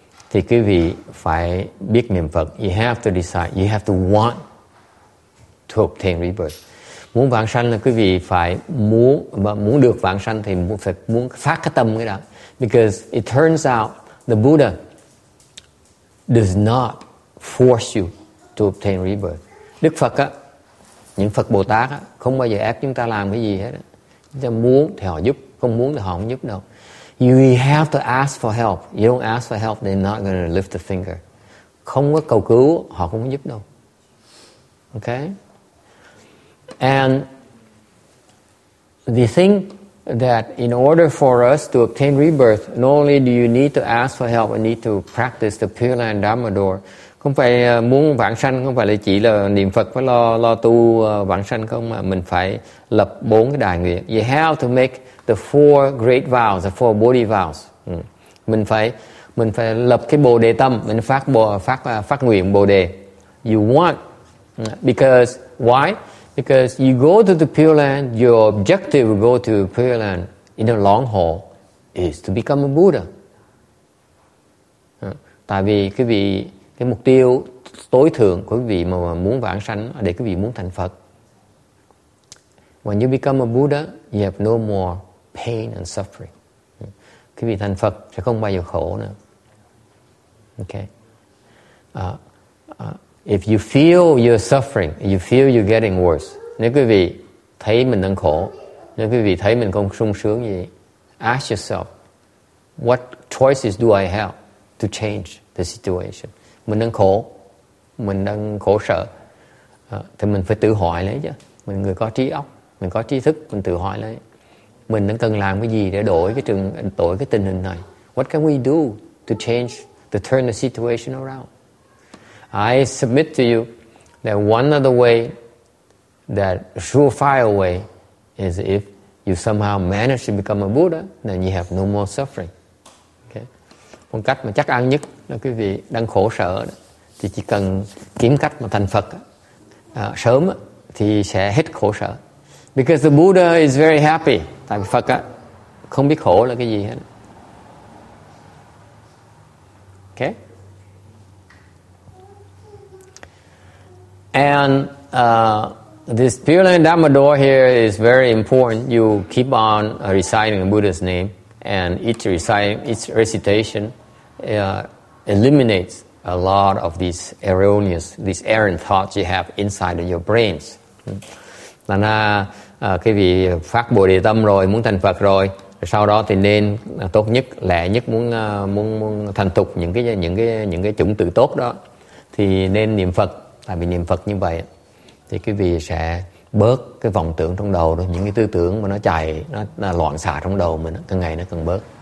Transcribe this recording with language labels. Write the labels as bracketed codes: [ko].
[vi] thì quý vị phải biết niệm Phật. [en] You have to decide, you have to want to obtain rebirth. [vi] Muốn vãng sanh là quý vị phải muốn, mà muốn được vãng sanh thì phải muốn phát cái tâm cái đó. [en] Because it turns out the Buddha does not force you to obtain rebirth. [vi] Đức Phật á, những Phật Bồ Tát á, không bao giờ ép chúng ta làm cái gì hết. Chúng ta muốn thì họ giúp, không muốn thì họ không giúp đâu. [en] You have to ask for help. You don't ask for help, they're not going to lift a finger. [vi] Không có cầu cứu, họ không có giúp đâu. [en] Okay? And the thing that in order for us to obtain rebirth, not only do you need to ask for help, you need to practice the Pure Land Dharma Door. [vi] Không phải muốn vãng sanh, không phải là chỉ là niệm Phật phải lo tu vãng sanh không, mà mình phải lập bốn cái đại nguyện. [en] You have to make the four great vows, the four Bodhi vows. [vi] Mình phải lập cái Bồ Đề tâm, mình phát nguyện Bồ Đề. [en] You want, because why? Because you go to the Pure Land, your objective to go to the Pure Land in the long haul is to become a Buddha. [vi] Tại vì quý vị, cái mục tiêu tối thượng của quý vị mà muốn vãng sanh để quý vị muốn thành Phật. [en] When you become a Buddha, you have no more pain and suffering. [vi] Quý vị thành Phật sẽ không bao giờ khổ nữa. [en] Okay. If you feel you're suffering, you feel you're getting worse. [vi] Nếu quý vị thấy mình đang khổ, nếu quý vị thấy mình không sung sướng gì, [en] ask yourself, what choices do I have to change the situation? [vi] Mình đang khổ, mình đang khổ sở, thì mình phải tự hỏi lấy chứ. Mình người có trí óc, mình có trí thức, mình tự hỏi lấy. Mình đang cần làm cái gì để đổi cái tình hình này? [en] What can we do to change, to turn the situation around? I submit to you that one other way, that surefire way, is if you somehow manage to become a Buddha, then you have no more suffering. Okay? [vi] Một cách mà chắc ăn nhất là quý vị đang khổ sở đó, thì chỉ cần kiếm cách mà thành Phật sớm thì sẽ hết khổ sở. [en] Because the Buddha is very happy. [vi] Tại vì Phật không biết khổ là cái gì hết. [en] Okay? And this Pure Land Dharma Door here is very important. You keep on reciting the Buddha's name, and each recitation eliminates a lot of these erroneous, these errant thoughts you have inside of your brains. [vi] Là na, quý vị phát Bồ Đề tâm rồi, muốn thành Phật rồi, sau đó thì nên tốt nhất, lẽ nhất muốn thành tục những cái chủng tử tốt đó, thì nên niệm Phật. Tại vì niệm Phật như vậy thì quý vị sẽ bớt cái vọng tưởng trong đầu đó, những cái tư tưởng mà nó chạy, nó loạn xạ trong đầu mình, càng ngày nó càng bớt.